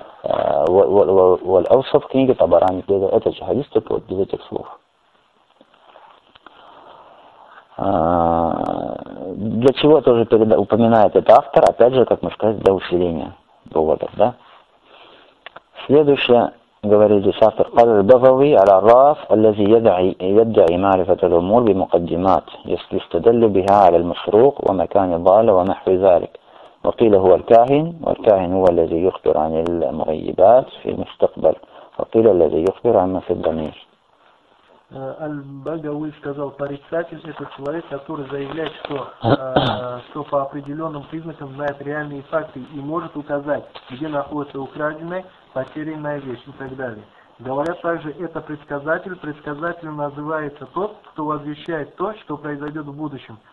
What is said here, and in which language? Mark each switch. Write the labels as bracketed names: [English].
[Russian] Валь-Аусов в книге Табарани перевел. Это же хадис только вот без этих слов. Для чего тоже упоминает это автор? Опять же, как мы сказали, для усиления доводов, да? Следующее. Говорит здесь автор, [Arabic] قال البغوي على الراس الذي يدعي معرفة الأمور بمقدمات يستدل بها على المسروق ومكان الضال ونحو ذلك وقيل هو الكاهن والكاهن هو الذي يخبر عن المغيبات في المستقبل وقيل الذي يخبر عن ما في الضمير. [Russian] البغوي сказал, порицатель это человек, который заявляет, что по определенным признакам знает реальные факты и может указать, где находится украденное, потерянная вещь и так далее. Говорят также, это предсказатель. Предсказателем называется тот, кто возвещает то, что произойдет в будущем.